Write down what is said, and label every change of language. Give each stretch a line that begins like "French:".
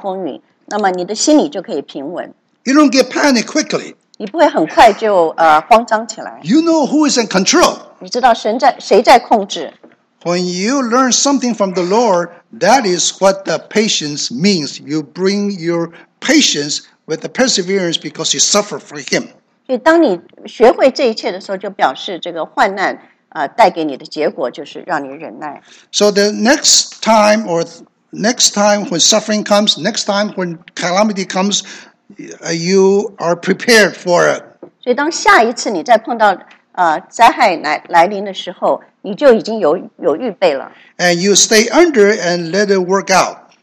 Chinese: 因为你知道是谁在控制这个暴风雨,那么你的心里就可以平稳。
English: You don't get panicked quickly.
Chinese: 你不会很快就慌张起来。
English: You know who is in control.
Chinese: 你知道谁在控制。
English: When you learn something from the Lord, that is what the patience means. You bring your patience with the perseverance because you suffer for him.
Chinese: 所以当你学会这一切的时候,就表示这个患难带给你的结果就是让你忍耐。
English: So the next time or next time when suffering comes, next time when calamity comes, you are prepared for it.
Chinese: 所以当下一次你再碰到灾害来临的时候, 你就已经有预备了。
English: And you stay under and let it work out.